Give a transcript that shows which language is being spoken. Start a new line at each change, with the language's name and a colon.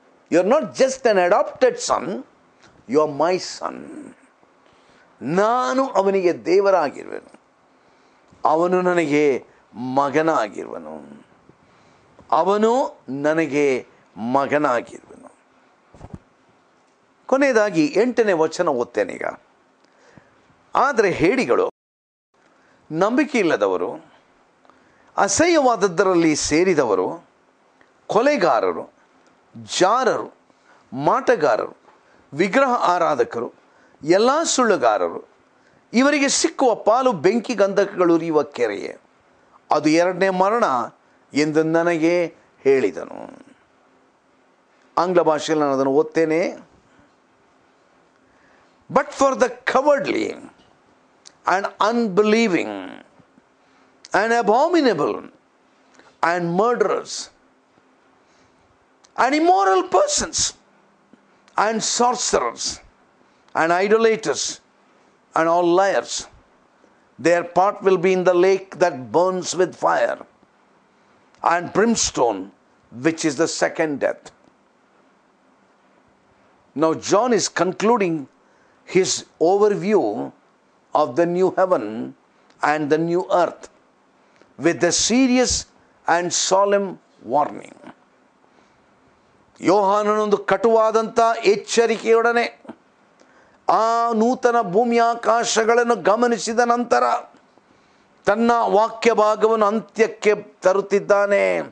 English: You are not just an adopted son, you are my son.
Kannada: ನಾನು ಅವನಿಗೆ ದೇವರಾಗಿರುವೆನು, ಅವನು ನನಗೆ ಮಗನಾಗಿರುವನು. ಅವನು ನನಗೆ ಮಗನಾಗಿರುವನು. ಕೊನೆಯದಾಗಿ ಎಂಟನೇ ವಚನ ಓದ್ತೇನೀಗ. ಆದರೆ ಹೇಡಿಗಳು, ನಂಬಿಕೆ ಇಲ್ಲದವರು, ಅಸಹ್ಯವಾದದ್ದರಲ್ಲಿ ಸೇರಿದವರು, ಕೊಲೆಗಾರರು, ಜಾರರು, ಮಾಟಗಾರರು, ವಿಗ್ರಹ ಆರಾಧಕರು, ಎಲ್ಲ ಸುಳ್ಳುಗಾರರು, ಇವರಿಗೆ ಸಿಕ್ಕುವ ಪಾಲು ಬೆಂಕಿ ಗಂಧಕಗಳು ಉರಿಯುವ ಕೆರೆಯೇ, ಅದು ಎರಡನೇ ಮರಣ ಎಂದು ನನಗೆ ಹೇಳಿದನು. ಆಂಗ್ಲ ಭಾಷೆಯಲ್ಲಿ ನಾನು ಅದನ್ನು ಓದ್ತೇನೆ.
English: But for the cowardly and unbelieving and abominable and murderers and immoral persons and sorcerers and idolaters and all liars, their part will be in the lake that burns with fire and brimstone, which is the second death. Now John is concluding his overview of the new heaven and the new earth with the serious and solemn warning.
Kannada: ಯೋಹಾನನೊಂದು ಕಟುವಾದಂಥ ಎಚ್ಚರಿಕೆಯೊಡನೆ ಆ ನೂತನ ಭೂಮ್ಯಾಕಾಶಗಳನ್ನು ಗಮನಿಸಿದ ನಂತರ ತನ್ನ ವಾಕ್ಯ ಭಾಗವನ್ನು ಅಂತ್ಯಕ್ಕೆ ತರುತ್ತಿದ್ದಾನೆ.